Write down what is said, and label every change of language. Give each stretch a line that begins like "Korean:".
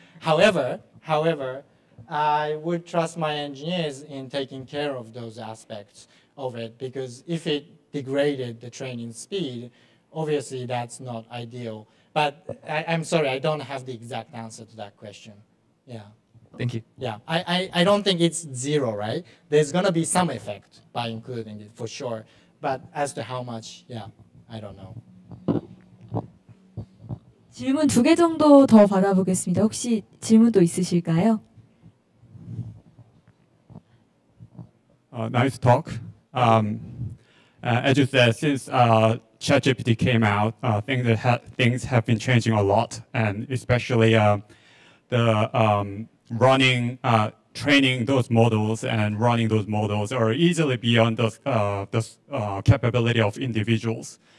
English: However, I would trust my engineers in taking care of those aspects of it, because if it degraded the training speed, obviously that's not ideal. But I'm sorry, I don't have the exact answer to that question. Yeah. Thank you. Yeah, I don't think it's zero, right? There's gonna be some effect by including it for sure. But as to how much, yeah, I don't know.
Korean: 질문 두 개 정도 더 받아보겠습니다. 혹시 질문도 있으실까요?
English: Nice talk. As you said, since ChatGPT came out, things have been changing a lot, and especially running, training those models and running those models are easily beyond the capability of individuals.